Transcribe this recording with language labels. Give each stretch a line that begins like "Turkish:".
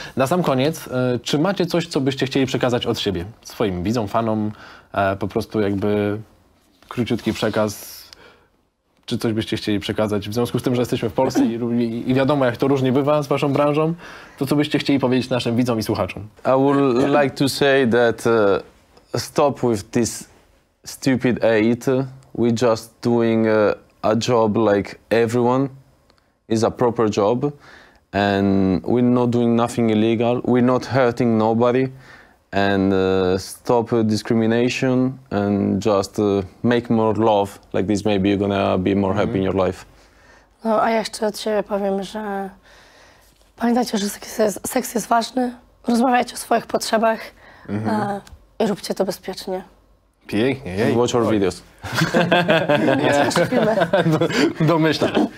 Polish: Na sam koniec, czy macie coś, co byście chcieli przekazać od siebie? Swoim widzom, fanom, po prostu jakby króciutki przekaz. Czy coś byście chcieli przekazać w związku z tym, że jesteśmy w Polsce i wiadomo, jak to różnie bywa z waszą branżą, to co byście chcieli powiedzieć naszym widzom i słuchaczom?
English: I would like to say that stop with this stupid hate. We just doing a job like everyone. It's a proper job and we're not doing nothing illegal. We're not hurting nobody. And stop discrimination and just make more love like this, maybe you're gonna be more happy in your life.
Polish: No, a jeszcze od siebie powiem, że pamiętajcie, że seks jest ważny, rozmawiajcie o swoich potrzebach i róbcie to bezpiecznie. Pięknie.
English: Jej. Watch our videos.
Polish: Domyślam.